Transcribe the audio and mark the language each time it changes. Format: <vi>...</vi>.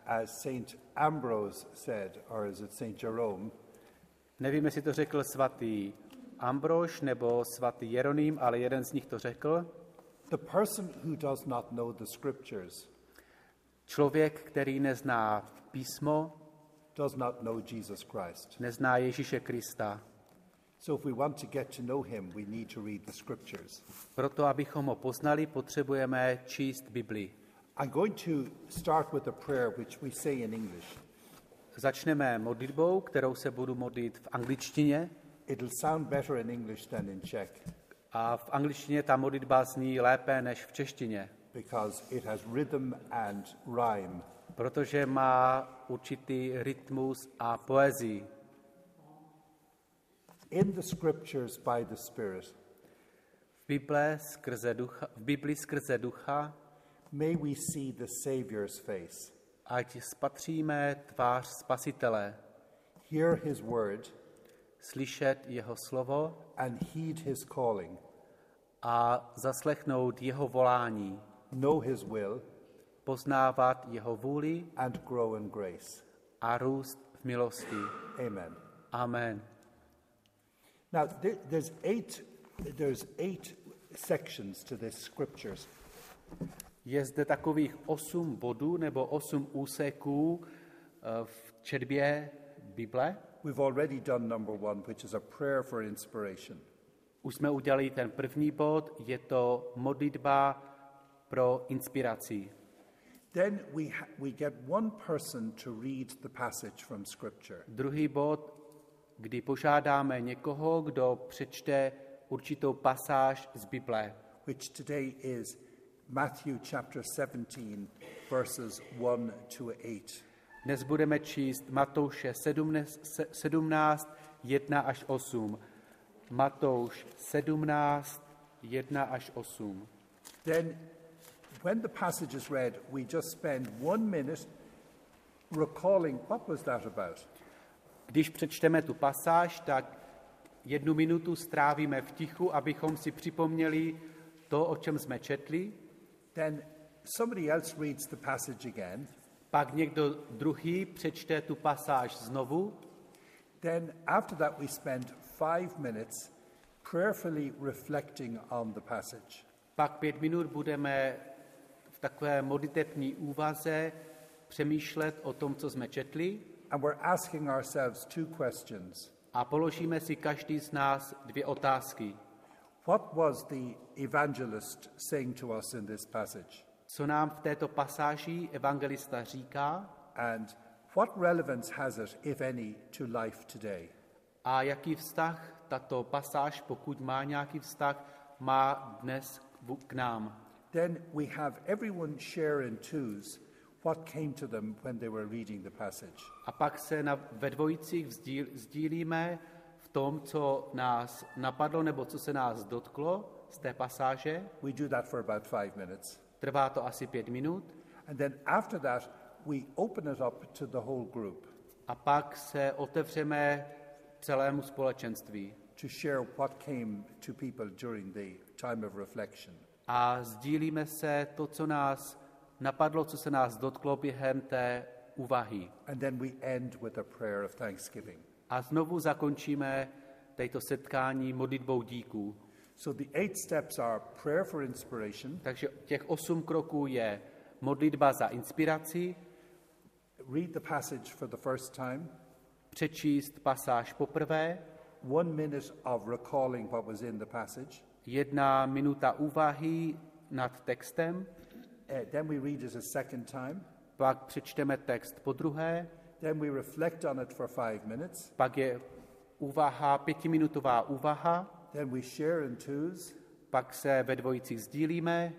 <en>as Saint Ambrose said, or is it Saint Jerome?</en> <cs>Nevím, jestli to řekl svatý Ambrož nebo svatý Jeroným, ale jeden z nich to řekl.</cs> <en>The person who does not know the scriptures.</en> <cs>Člověk, který nezná písmo,</cs> <en>does not know Jesus Christ.</en> <cs>Nezná Ježíše Krista.</cs> <en>So if we want to get to know him, we need to read the scriptures.</en> <cs>Proto abychom ho poznali, potřebujeme číst Biblii.</cs> <en>I'm going to start with a prayer which we say in English.</en> <cs>Začneme modlitbou, kterou se budu modlit v angličtině.</cs> <en>It'll sound better in English than in Czech.</en> <cs>A v angličtině ta modlitba zní lépe než v češtině.</cs> <en>Because it has rhythm and rhyme.</en> <cs>Protože má určitý rytmus a poezii.</cs> <en>In the scriptures by the Spirit.</en> <cs>V Biblii skrze ducha.</cs> <en>May we see the Savior's face.</en> <cs>Ať spatříme tvář Spasitele.</cs> <en>Hear his word.</en> <cs>Slyšet jeho slovo.</cs> <en>And heed his calling.</en> <cs>A zaslechnout jeho volání.</cs> <en>Know his will.</en> <cs>Poznávat jeho vůli.</cs> <en>And grow in grace.</en> <cs>A růst v milosti.</cs> <en>Amen.</en> <cs>Amen.</cs> <en>Now there's eight sections to this scriptures.</en> <cs>Je zde takových 8 bodů nebo 8 úseků v četbě Bible.</cs> <en>We've already done number 1, which is a prayer for inspiration.</en> <cs>Už jsme udělali ten první bod, je to modlitba pro inspiraci.</cs> <en>Then we get one person to read the passage from scripture.</en> <cs>Druhý bod, kdy požádáme někoho, kdo přečte určitou pasáž z Bible.</cs> <en>Which today is Matthew chapter 17 verses 1 to 8.</en> <cs>Dnes budeme číst Matouše 17, 1 až 8. Matouš 17, 1 až 8.</cs> <en>Then, when the passage is read, we just spend 1 minute recalling what was that about.</en> <cs>Když přečteme tu pasáž, tak jednu minutu strávíme v tichu, abychom si připomněli to, o čem jsme četli.</cs> <en>Then somebody else reads the passage again.</en> <cs>Pak někdo druhý přečte tu pasáž znovu.</cs> <en>Then after that we spend 5 minutes prayerfully reflecting on the passage.</en> <cs>Pak 5 minut budeme v takové modlitební úvaze přemýšlet o tom, co jsme četli.</cs> <en>And we're asking ourselves 2 questions.</en> <cs>A položíme si každý z nás 2 otázky.</cs> <en>What was the evangelist saying to us in this passage?</en> <cs>Co nám v této pasáži evangelista říká?</cs> <en>And what relevance has it, if any, to life today?</en> <cs>A jaký vztah tato pasáž, pokud má nějaký vztah, má dnes k nám?</cs> <en>Then we have everyone share in twos what came to them when they were reading the passage.</en> <cs>A pak se ve dvojicích sdílíme v tom, co nás napadlo nebo co se nás dotklo z té pasáže.</cs> <en>We do that for about 5 minutes.</en> <cs>Trvá to asi 5 minut.</cs> <en>And then after that we open it up to the whole group.</en> <cs>A pak se otevřeme celému společenství.</cs> <en>To share what came to people during the time of reflection.</en> <cs>A sdílíme se to, co nás napadlo, co se nás dotklo během té úvahy.</cs> <en>And then we end with a prayer of thanksgiving.</en> <cs>A znovu zakončíme tejto setkání modlitbou díků.</cs> <en>So the 8 steps are prayer for inspiration.</en> <cs>Takže těch 8 kroků je modlitba za inspiraci.</cs> <en>Read the passage for the first time.</en> <cs>Přečíst pasáž poprvé.</cs> <en>1 minute of recalling what was in the passage.</en> <cs>1 minuta úvahy nad textem.</cs> <en>Then we read it a second time.</en> <cs>Pak přečteme text podruhé.</cs> <en>Then we reflect on it for 5 minutes.</en> <cs>Pak je úvaha, 5minutová úvaha.</cs> <en>Then we share in twos.</en> <cs>Pak se ve dvojicích sdílíme.</cs>